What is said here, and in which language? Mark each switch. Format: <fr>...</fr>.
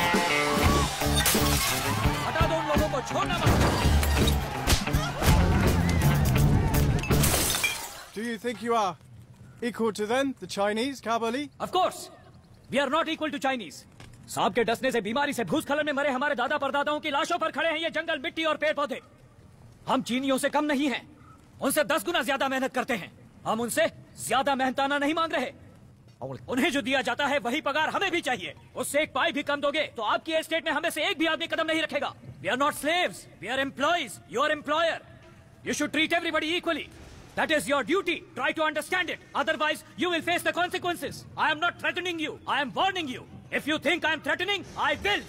<hi>हटा दो उन लोगों को, छोड़ना मत।</hi> <en>Do you think you are equal to them, the Chinese, Kabali? Of course, we are not equal to Chinese.</en> <hi>साहब के डसने से, बीमारी से, भूस्खलन में मरे हमारे दादा परदादाओं की लाशों पर खड़े हैं ये जंगल, मिट्टी और पेड़ पौधे। हम चीनियों से कम नहीं हैं, उनसे 10 गुना ज्यादा मेहनत करते हैं। हम उनसे ज्यादा मेहनताना नहीं मांग रहे। उन्हें जो दिया जाता है वही पगार हमें भी चाहिए। उससे एक पाई भी कम दोगे तो आपकी एस्टेट में हमें से एक भी आदमी कदम नहीं रखेगा।</hi> <en>We are not slaves, we are employees, your employer. You should treat everybody equally. That is your duty. Try to understand it. Otherwise, you will face the consequences. I am not threatening you. I am warning you. If you think I am threatening, I will.</en>